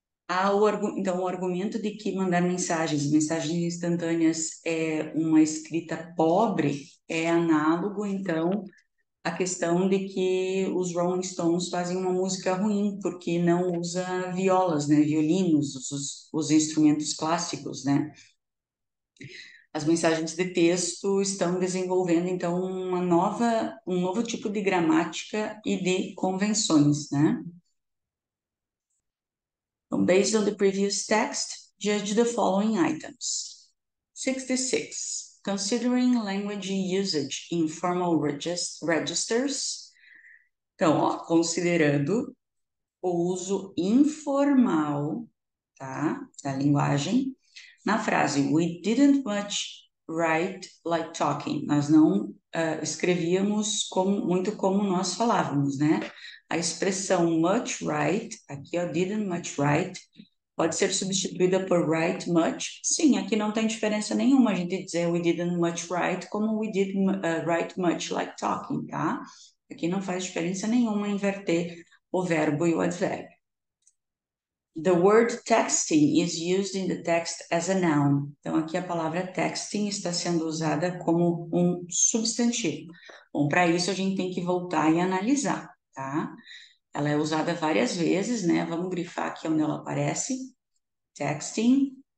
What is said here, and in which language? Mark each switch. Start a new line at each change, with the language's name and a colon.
Portuguese: Então, o argumento de que mandar mensagens instantâneas é uma escrita pobre, é análogo, então, à questão de que os Rolling Stones fazem uma música ruim, porque não usa violas, né, violinos, os instrumentos clássicos, né? As mensagens de texto estão desenvolvendo, então, um novo tipo de gramática e de convenções, né? Então,
English: based on the previous text, judge the following items. 66. Considering language usage in formal registers.
Portuguese: Então, ó, considerando o uso informal, tá, da linguagem. Na frase,
English: we didn't much write like talking.
Portuguese: Nós não escrevíamos muito como nós falávamos, né? A expressão much write, aqui ó,
English: didn't much write,
Portuguese: pode ser substituída por write much. Sim, aqui não tem diferença nenhuma a gente dizer
English: we didn't much write
Portuguese: como
English: we didn't write much like talking,
Portuguese: tá? Aqui não faz diferença nenhuma inverter o verbo e o advérbio.
English: The word texting is used in the text as a noun.
Portuguese: Então, aqui a palavra texting está sendo usada como um substantivo. Bom, para isso a gente tem que voltar e analisar, tá? Ela é usada várias vezes, né? Vamos grifar aqui onde ela aparece. Texting.